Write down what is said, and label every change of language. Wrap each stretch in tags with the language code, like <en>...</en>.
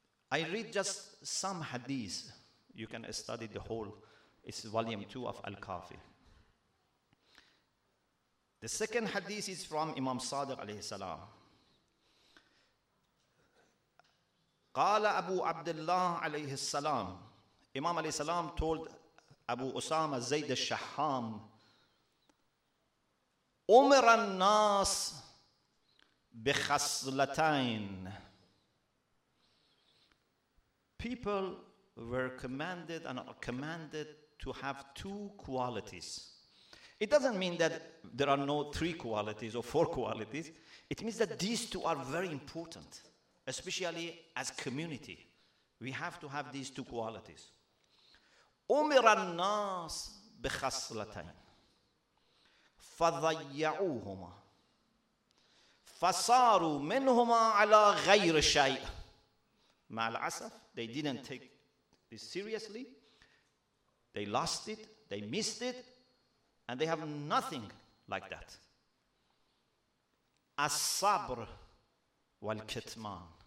<en>I read just some hadith. You can study the whole, it's volume 2 of Al-Kafi. The second hadith is from Imam Sadiq</en> <ar>alayhi salam. قال أبو عبد الله عليه السلام إمام عليه السلام</ar> <en>told</en> <ar>أبو أسامة زيد الشحام أمر الناس بخصلتين.</ar> <en>People were commanded and are commanded to have two qualities. It doesn't mean that there are no three qualities or four qualities. It means that these two are very important. Especially as community, we have to have these two qualities.</en> <ar>أمر الناس بخصلتين فضيعوهما فصاروا منهما على غير شيء. مع الأسف,</ar> <en>they didn't take this seriously. They lost it, they missed it, and they have nothing like that.</en> <ar>الصبر والكتمان.</ar>